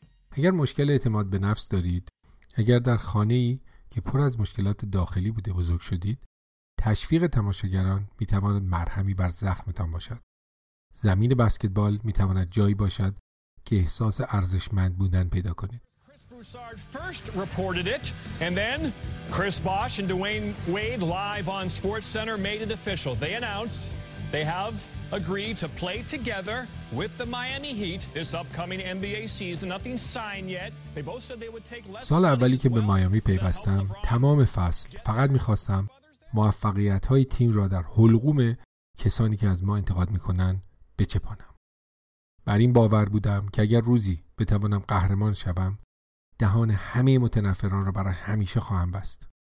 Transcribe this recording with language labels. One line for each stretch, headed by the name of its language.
Persian: اگر مشکل اعتماد به نفس دارید، اگر در خانه‌ای که پر از مشکلات داخلی بوده بزرگ شدید، تشویق تماشاگران میتواند مرهمی بر زخمتان باشد. زمین بسکتبال میتواند جایی باشد که احساس ارزشمند بودن پیدا کنید.
English: Broussard first reported it, and then Chris Bosh and Dwayne Wade live on SportsCenter made it official. They announced they have agreed to play together with the Miami Heat this upcoming NBA season. Nothing signed yet. They both said they would take less.
Persian: سال اولی که به میامی پیوستم، تمام فصل فقط می‌خواستم موفقیت‌های تیم را در حلقوم کسانی که از ما انتقاد میکنن بچپانم. بر این باور بودم که اگر روزی بتوانم قهرمان شوم، دهان همه متنفران را برای همیشه خواهم بست.